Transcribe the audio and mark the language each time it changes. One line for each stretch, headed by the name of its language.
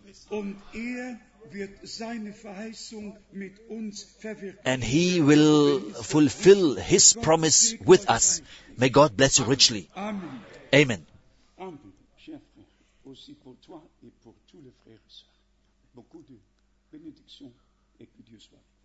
German: Und er wird seine Verheißung mit uns verwirken.
English: And he will fulfill his promise with us. May God bless you richly. Amen. Amen. Amen.
French: Cher frère, aussi pour toi et pour tous les frères et sœurs. Beaucoup de bénédictions et que Dieu soit.